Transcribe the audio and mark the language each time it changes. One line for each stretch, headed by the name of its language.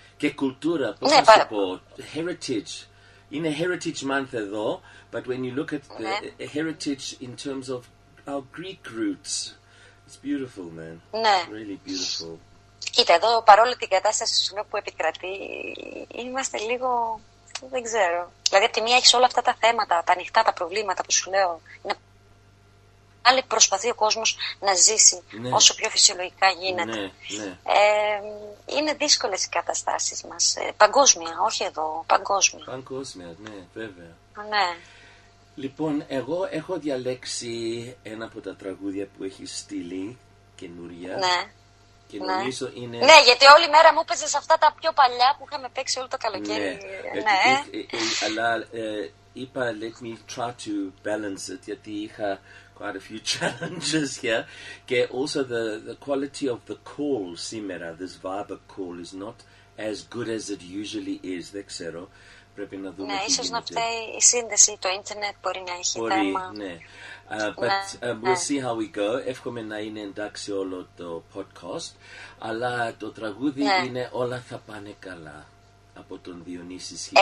Greek: Και κουλτούρα, πώς θα σου πω, heritage.
English: Είναι heritage month εδώ, but when you look at the heritage in terms of our Greek roots, it's beautiful, man.
Greek: Ναι.
English: Really beautiful.
Greek: Κοίτα, εδώ παρόλο την κατάσταση που επικρατεί, είμαστε λίγο, δεν ξέρω. Δηλαδή, από τη μία έχεις όλα αυτά τα θέματα, τα ανοιχτά, τα προβλήματα που σου λέω. Άλλη προσπαθεί ο κόσμος να ζήσει όσο πιο φυσιολογικά γίνεται. Ναι, ναι. Είναι δύσκολες οι καταστάσεις μας. Παγκόσμια, όχι εδώ. Παγκόσμια. Παγκόσμια, ναι, βέβαια. Ναι. Λοιπόν, εγώ έχω διαλέξει ένα από τα τραγούδια που έχει στείλει, καινούρια. Ναι. Και νομίζω είναι. Ναι, γιατί όλη μέρα μου έπαιζε αυτά τα πιο παλιά που είχαμε παίξει όλο το καλοκαίρι. Ναι. Αλλά είπα,
English: let me try to balance it,
Greek: γιατί είχα
English: quite a few challenges here. Και also the quality of the call σήμερα, this Viber call, is not as good as it usually is.
Greek: Δεν ξέρω. Πρέπει να δούμε. Ναι, ίσως να φταίει η σύνδεση, το ίντερνετ μπορεί να έχει θέμα. Μπορεί, ναι.
English: But we'll see how we go.
Greek: Εύχομαι να είναι εντάξει όλο το podcast. Αλλά το τραγούδι είναι «Όλα θα πάνε καλά» από τον Διονύση Σχοινά.